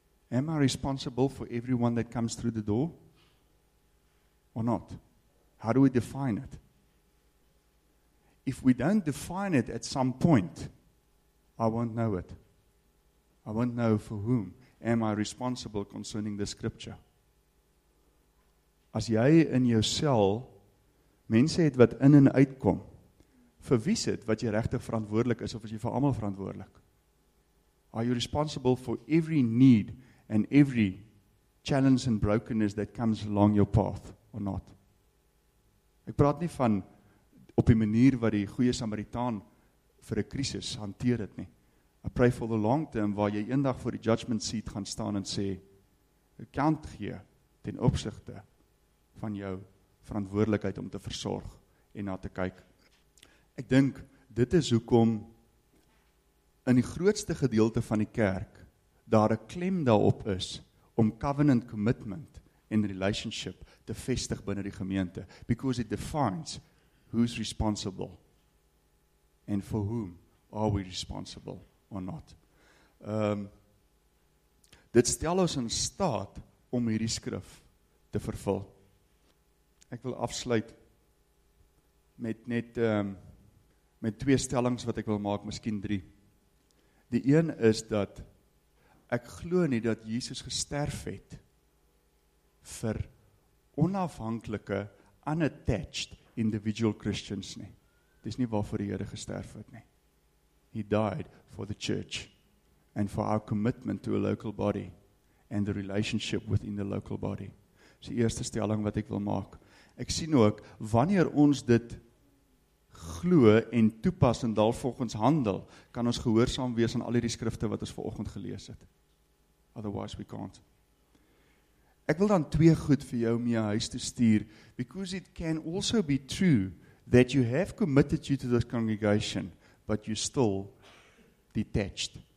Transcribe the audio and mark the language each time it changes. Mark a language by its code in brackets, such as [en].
[en] Am I responsible for everyone that comes through the door? Or not? How do we define it? If we don't define it at some point, I won't know it. I won't know for whom am I responsible concerning the scripture. [af] As jy in jou sel mense het wat in en uitkom, vir wie sit wat jy regtig verantwoordelik is, of is jy vir almal verantwoordelik? [en] Are you responsible for every need and every challenge and brokenness that comes along your path, or not? [af] Ek praat nie van op die manier wat die goeie Samaritaan vir 'n krisis hanteer het nie. I pray for the long term, waar jy eendag voor die judgment seat gaan staan en sê, account gee ten opsigte van jou verantwoordelikheid om te versorg en na te kyk. Ek dink, dit is hoekom in die grootste gedeelte van die kerk daar 'n klem daarop is om covenant commitment en relationship te vestig binne die gemeente. [en] Because it defines who's responsible and for whom are we responsible or not. [af] Dit stel ons in staat om hierdie skrif te vervul. Ek wil afsluit met net met twee stellings wat ek wil maak, miskien drie. Die een is dat ek glo nie dat Jesus gesterf het vir onafhanklike, unattached individual Christians nie. Dis nie waarvoor die Here gesterf het nie. [en] He died for the church and for our commitment to a local body and the relationship within the local body. [af] Dis die eerste stelling wat ek wil maak. Ek sien ook, wanneer ons dit glo en toepas en daarvolgens handel, kan ons gehoorsaam wees aan al die skrifte wat ons vanoggend gelees het. Otherwise we can't. [en] Ek wil dan twee goed vir jou mee huis te stuur, because it can also be true that you have committed you to this congregation, but you're still detached.